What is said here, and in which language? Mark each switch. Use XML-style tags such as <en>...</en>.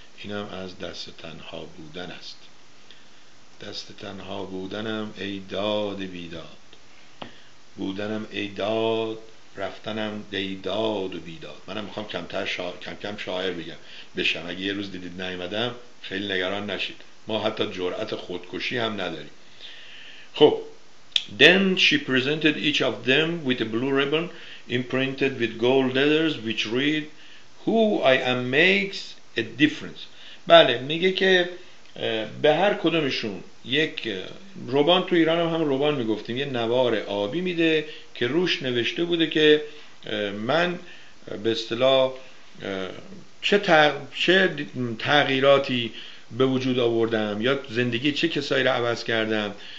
<fa>اینم از دست تنها بودن است. دست تنها بودنم ای داد بیداد، بودنم ای داد، رفتنم ای داد و بیداد. منم میخوام کمتر کم کم شاعر بگم بشم. اگه یه روز دیدید نیومدم خیلی نگران نشید، ما حتی جرأت خودکشی هم نداریم.</fa> <en>خب then she presented each of them with a blue ribbon imprinted with gold letters which read who I am makes a difference.</en> <fa>بله میگه که به هر کدومشون یک روبان، تو ایران هم روبان میگفتیم، یه نوار آبی میده که روش نوشته بوده که من به اصطلاح چه تغییراتی به وجود آوردم یا زندگی چه کسایی را عوض کردم.</fa>